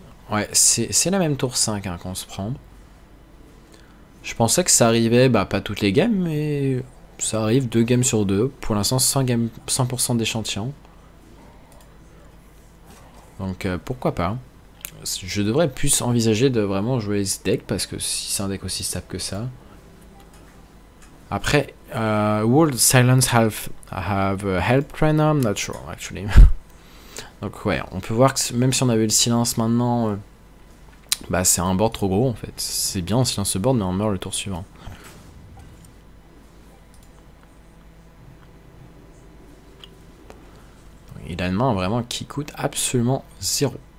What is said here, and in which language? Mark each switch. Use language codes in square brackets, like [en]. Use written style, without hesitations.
[fr] Ouais, c'est la même tour 5 hein, qu'on se prend. Je pensais que ça arrivait, bah pas toutes les games, mais Ça arrive, 2 games sur 2. Pour l'instant, 100 games, 100% d'échantillons. Donc pourquoi pas. Je devrais plus envisager de vraiment jouer ce deck parce que si c'est un deck aussi stable que ça. Après, [en] World Silence have help right now? I'm not sure actually. [fr] Donc ouais, on peut voir que même si on avait le silence maintenant, bah c'est un board trop gros en fait. C'est bien on silence ce board mais on meurt le tour suivant. Il a une main vraiment qui coûte absolument zéro.